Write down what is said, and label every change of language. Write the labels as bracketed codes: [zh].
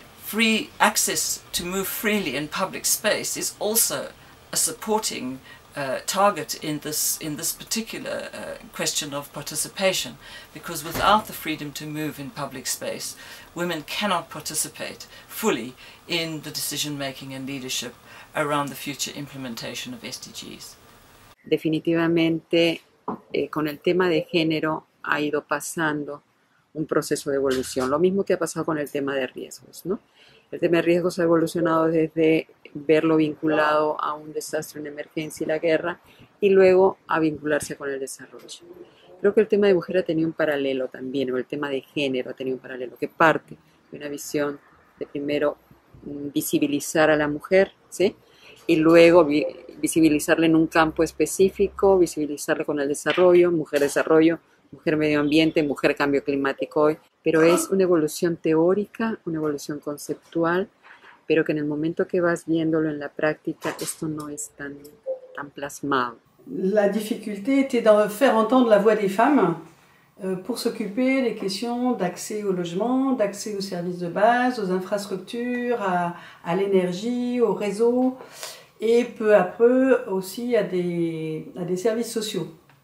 [en] Free access to move freely in public space is also a supporting target in this particular question of participation, because without the freedom to move in public space, women cannot participate fully in the decision making and leadership around the future implementation of SDGs. [es] Definitivamente, con el tema de género ha ido pasando un proceso de evolución, lo mismo que ha pasado con el tema de riesgos, ¿no? El tema de riesgos ha evolucionado desde verlo vinculado a un desastre, una emergencia y la guerra, y luego a vincularse con el desarrollo. Creo que el tema de mujer ha tenido un paralelo también, o el tema de género ha tenido un paralelo, que parte de una visión de primero visibilizar a la mujer, ¿sí? Y luego visibilizarla en un campo específico, visibilizarla con el desarrollo, mujer desarrollo, mujer medio ambiente, mujer cambio climático hoy. Pero es una evolución teórica, una evolución conceptual, pero que en el momento que vas viéndolo en la práctica, esto no es tan plasmado. La dificultad era de [fr] hacer entendre la voix des femmes para s'occuper des questions d'accès au logement, d'accès aux services de base, aux infrastructures, à l'énergie, aux réseaux, et peu à peu aussi à des services sociaux.